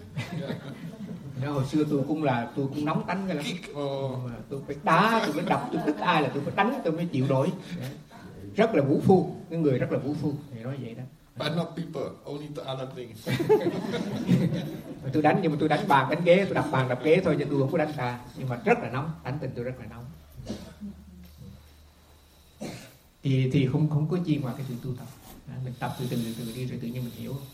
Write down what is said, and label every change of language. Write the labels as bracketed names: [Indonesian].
[English] Yeah. [Vietnamese] Hồi xưa tôi cũng nóng tánh cái lắm. Tôi phải đá, tôi phải đập, tôi thích ai là tôi phải đánh, tôi mới chịu đổi. Rất là vũ phu, cái người rất là vũ phu, thì nói vậy đó. [English] But not people, only the other things. [Vietnamese] Tôi đánh nhưng mà tôi đánh bàn đánh ghế, tôi đập bàn đập ghế thôi chứ tôi không có đánh ta, nhưng mà rất là nóng, đánh tình tôi rất là nóng. Thì không có chi ngoài cái sự tu tập. Mình tập từ từ đi rồi tự nhiên mình hiểu.